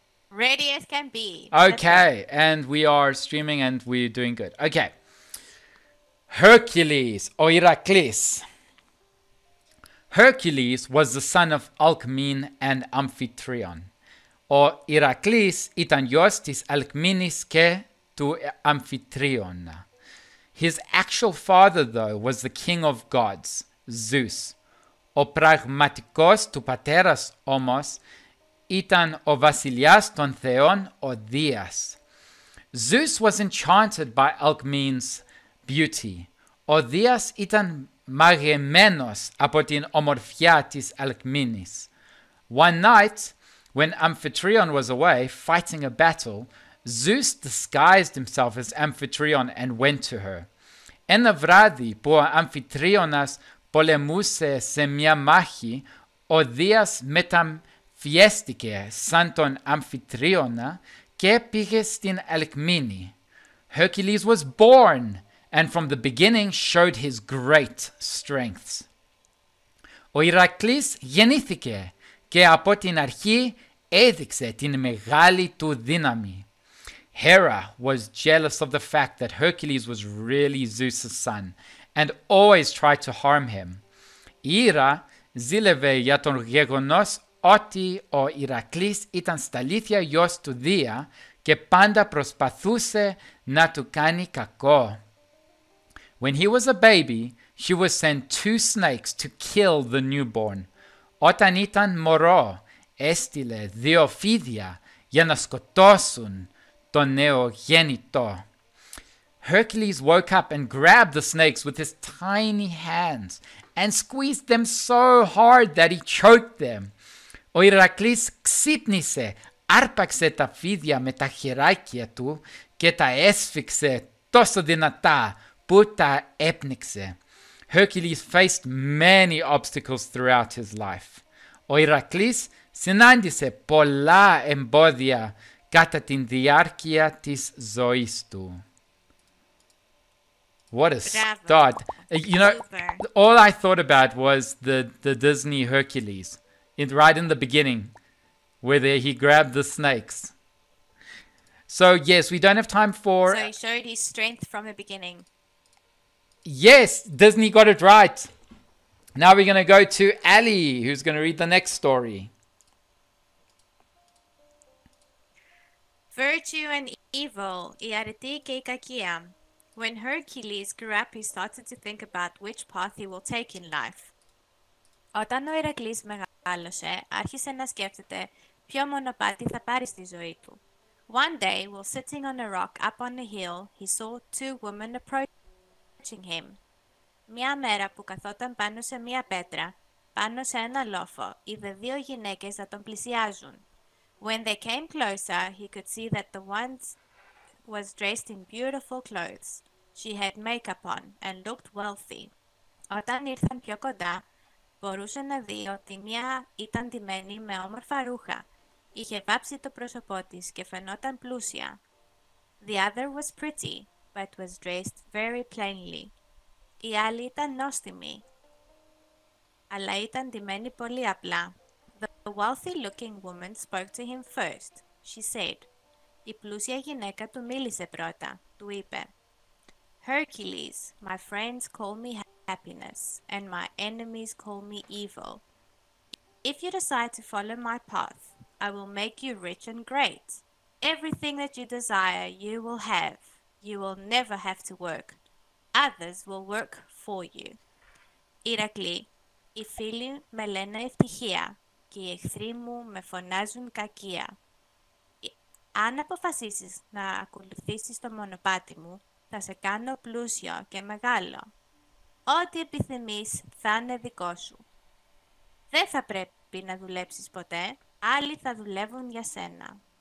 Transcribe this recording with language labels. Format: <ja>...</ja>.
<en>Ready as can be. Okay. And we are streaming and we're doing good. Okay. Hercules or Heracles. Hercules was the son of Alcmene and Amphitryon.</en> <el>Or Heracles ήταν γιος της Αλκμίνης και του Αμφιτρίωνα.</el> <en>His actual father, though, was the king of gods, Zeus.</en> <el>Ο πραγματικός του πατέρας όμως ήταν ο βασιλιάς των θεών, ο Δίας.</el> <en>Zeus was enchanted by Alcmene's beauty.</en> <el>Ο Δίας ήταν μαγεμένος από την ομορφιά της Αλκμίνης.</el> <en>One night, when Amphitryon was away fighting a battle, Zeus disguised himself as Amphitryon and went to her.</en> <el>Ένα βράδυ που ο Αμφιτρίωνας πολεμούσε σε μια μάχη, ο Δίας μεταμφιέστηκε σαν τον Αμφιτρίωνα και πήγε στην Αλκμίνη.</el> <en>Hercules was born and from the beginning showed his great strengths.</en> <el>Ο Ηρακλής γεννήθηκε και από την αρχή έδειξε την μεγάλη του δύναμη.</el> <en>Hera was jealous of the fact that Hercules was really Zeus's son and always tried to harm him.</en> <el>Ήρα ζήλευε για τον γεγονός ότι ο Ηρακλής ήταν στα αλήθεια γιος του Δία και πάντα προσπαθούσε να του κάνει κακό.</el> <en>When he was a baby, she was sent two snakes to kill the newborn.</en> <el>Όταν ήταν μωρό, έστειλε δύο φίδια για να σκοτώσουν τον νέο γέννητο.</el> <en>Hercules woke up and grabbed the snakes with his tiny hands and squeezed them so hard that he choked them.</en> <el>Ο Ηρακλής ξύπνησε, άρπαξε τα φίδια με τα χεράκια του και τα έσφιξε τόσο δυνατά που τα έπνιξε.</el> <en>Hercules faced many obstacles throughout his life.</en> <el>Ο Ηρακλής συνάντησε πολλά εμπόδια κατά την διάρκεια της ζωής του.</el> <en>What a start. You know, all I thought about was the Disney Hercules. Right in the beginning, where he grabbed the snakes. So, yes, we don't have time for... So he showed his strength from the beginning. Yes, Disney got it right. Now we're going to go to Ali, who's going to read the next story. Virtue and evil,</en> <el>η αρετή και η κακία.</el> <en>When Hercules grew up, he started to think about which path he will take in life.</en> <el>Όταν ο Ηρακλής μεγάλωσε, άρχισε να σκέφτεται ποιο μονοπάτι θα πάρει στη ζωή του.</el> <en>One day, while sitting on a rock up on a hill, he saw two women approaching him.</en> <el>Μια μέρα που καθόταν πάνω σε μια πέτρα, πάνω σε ένα λόφο, είδε δύο γυναίκες να τον πλησιάζουν.</el> <en>When they came closer, he could see that the one was dressed in beautiful clothes. She had makeup on and looked wealthy.</en> <el>Όταν ήρθαν πιο κοντά, μπορούσε να δει ότι μία ήταν ντυμένη με όμορφα ρούχα. Είχε βάψει το πρόσωπό της και φαινόταν πλούσια.</el> <en>The other was pretty, but was dressed very plainly.</en> <el>Η άλλη ήταν νόστιμη, αλλά ήταν ντυμένη πολύ απλά.</el> <en>The wealthy-looking woman spoke to him first. She said,</en> <el>«Η πλούσια γυναίκα του μίλησε πρώτα», του είπε.</el> <en>«Hercules, my friends call me happiness, and my enemies call me evil. If you decide to follow my path, I will make you rich and great. Everything that you desire, you will have. You will never have to work. Others will work for you». Ηρακλή,</en> <el>Οι φίλοι με λένε ευτυχία και οι εχθροί μου με φωνάζουν κακία. Αν αποφασίσεις να ακολουθήσεις το μονοπάτι μου, θα σε κάνω πλούσιο και μεγάλο. Ό,τι επιθυμείς θα είναι δικό σου. Δεν θα πρέπει να δουλέψεις ποτέ, άλλοι θα δουλεύουν για σένα.</el>